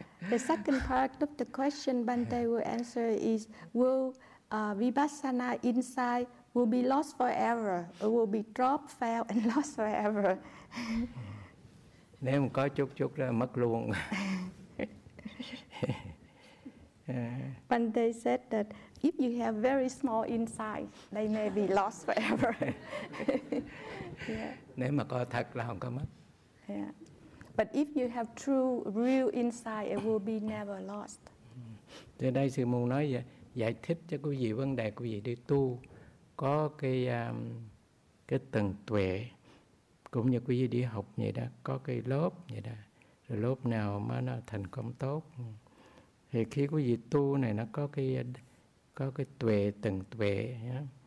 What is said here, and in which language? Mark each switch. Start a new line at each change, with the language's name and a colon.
English: The second part of the question Bhante will answer is, will vipassana insight will be lost forever, or will be dropped, fell, and lost forever?
Vietnamese: Nếu có chút chút là mất luôn.
English: Bhante said that if you have very small insight, they may be lost forever.
Vietnamese: Nếu mà có thật là không có mất.
English: But if you have true, real insight, it will be never lost.
Vietnamese: Từ đây sư muốn nói vậy, giải thích cho quý vị vấn đề quý vị đi tu có cái tầng tuệ, cũng như quý vị đi học vậy đó, có cái lớp vậy đó, rồi lớp nào mà nó thành công tốt, thì khi quý vị tu này nó có cái tuệ, tầng tuệ đó.